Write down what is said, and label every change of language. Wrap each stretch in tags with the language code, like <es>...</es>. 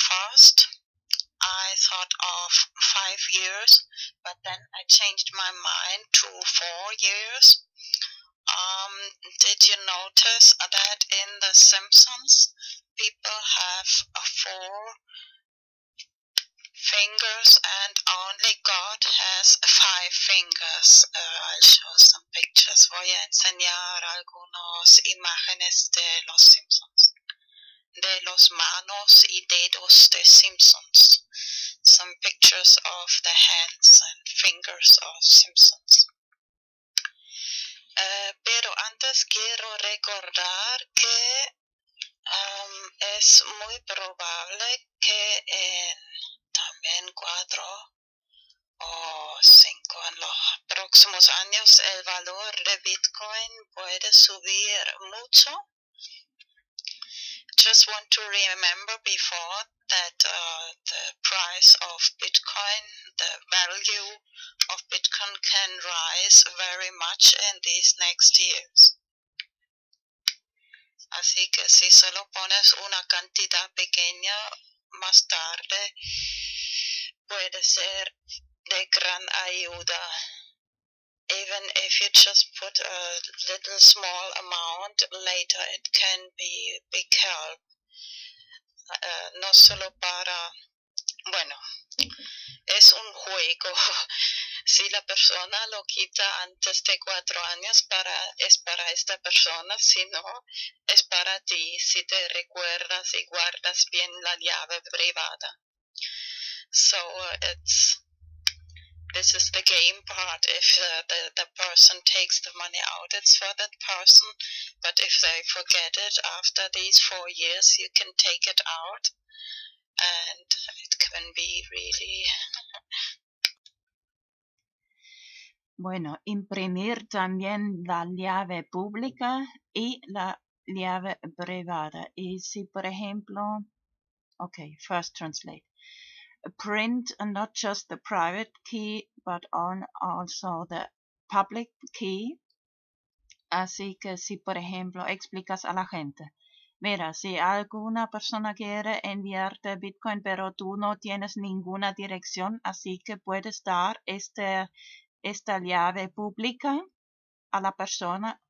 <en>First, I thought of 5 years, but then I changed my mind to 4 years. Did you notice that in The Simpsons, people have 4 fingers and only God has 5 fingers. I'll show some pictures.</en> <es>Voy a enseñar algunas imágenes de los Simpsons. De los manos y dedos de Simpsons.</es> <en>Some pictures of the hands and fingers of Simpsons.</en> <es>Pero antes quiero recordar que es muy probable que en también 4 o 5 en los próximos años el valor de Bitcoin puede subir mucho.</es> <en>Just want to remember before that the price of Bitcoin, the value of Bitcoin can rise very much in these next years.</en> <es>Así que si solo pones una cantidad pequeña más tarde, puede ser de gran ayuda.</es> <en>Even if you just put a little small amount, later it can be big help.</en> <es>No solo para, bueno, juego. Si la persona lo quita antes de 4 años, para, es para esta persona. Si no, es para ti, si te recuerdas y guardas bien la llave privada.</es> <en>So it's, this is the game part. If the person takes the money out, it's for that person. But if they forget it after these 4 years, you can take it out. And it can be really...</en> <es>Bueno, imprimir también la llave pública y la llave privada. Y si, por ejemplo, okay,</es> <en>first translate. Print not just the private key, but on also the public key.</en> <es>Así que si, por ejemplo, explicas a la gente. Mira, si alguna persona quiere enviarte Bitcoin, pero tú no tienes ninguna dirección, así que puedes dar esta llave pública a la persona.</es>